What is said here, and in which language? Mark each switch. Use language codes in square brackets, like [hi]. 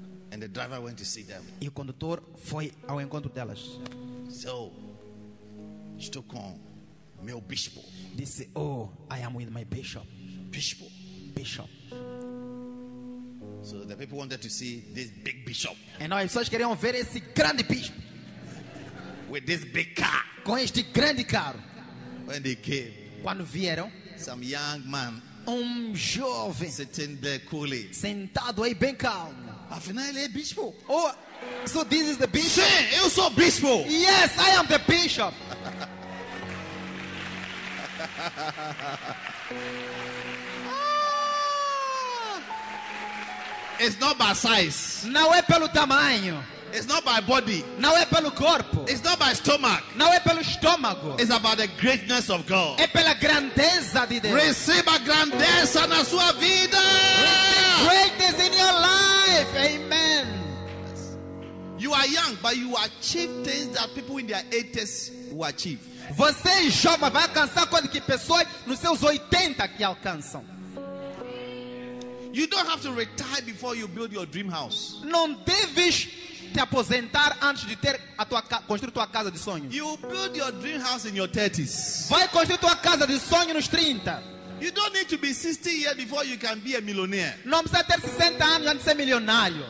[en] And the driver went to see them. [pt] E o condutor foi ao encontro delas. So, estou com meu bispo. Disse, [en] "Oh, I am with my bishop." Bishop. So the people wanted to see this big bishop. [pt] E nós só queriam ver esse grande bispo. [en] With this big car. [pt] Com este grande carro. [en] When they came. [pt] Quando vieram. [en] Some young man. [pt] Jovem. [en] Sitting there coolly. [pt] Sentado aí bem calmo. Afinal ele é bispo. [en] Oh. So this is the bishop. [pt] Sim, eu sou bispo. [en] Yes, I am the bishop. It's not by size. [pt] Não é pelo tamanho. [en] It's not by body. [pt] Não é pelo corpo. [en] It's not by stomach. [pt] Não é pelo estômago. [en] It's about the greatness of God. [pt] É pela grandeza de Deus. Receba a grandeza na sua vida. [en] Greatness in your life. Amen. You are young, but you achieve things that people in their 80s will achieve. [pt] Você é jovem, vai alcançar coisas que pessoas nos seus 80 que alcançam. [en] You don't have to retire before you build your dream house. [pt] Não deves te aposentar antes de ter a tua construir tua casa de sonho. [en] You will build your dream house in your 30s. [pt] Vai construir tua casa de sonho nos 30. [en] You don't need to be 60 years before you can be a millionaire. [pt] Não precisa ter 60 anos antes de ser milionário.